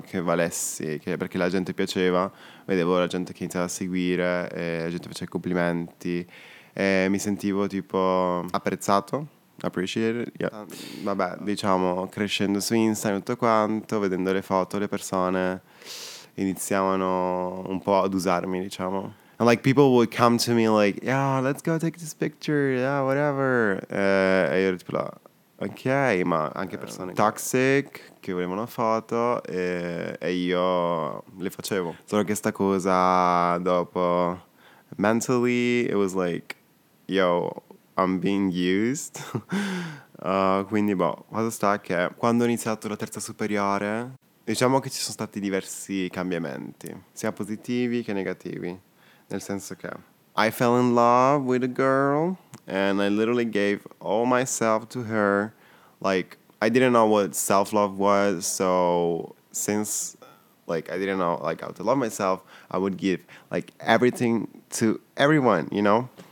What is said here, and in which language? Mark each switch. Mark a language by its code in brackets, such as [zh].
[it] Che valessi, che, perché la gente piaceva. Vedevo la gente che iniziava a seguire, e la gente faceva complimenti. E mi sentivo, tipo, apprezzato. [en] Appreciate it, yeah. [it] Vabbè, diciamo, crescendo su Instagram e tutto quanto, vedendo le foto, le persone iniziavano un po' ad usarmi, diciamo. [en] And like, people would come to me like, yeah, let's go take this picture, yeah, whatever. [it] E io ero tipo là, ok, ma anche persone toxic che volevano foto e io le facevo. Solo che sta cosa dopo, [en] mentally, it was like, yo, I'm being used. [it] Quindi, boh, cosa sta che quando ho iniziato la terza superiore, diciamo che ci sono stati diversi cambiamenti, sia positivi che negativi. Nel senso che [en] I fell in love with a girl and I literally gave all myself to her. Like, I didn't know what self-love was, so since, like, I didn't know, like, how to love myself, I would give, like, everything to everyone, you know?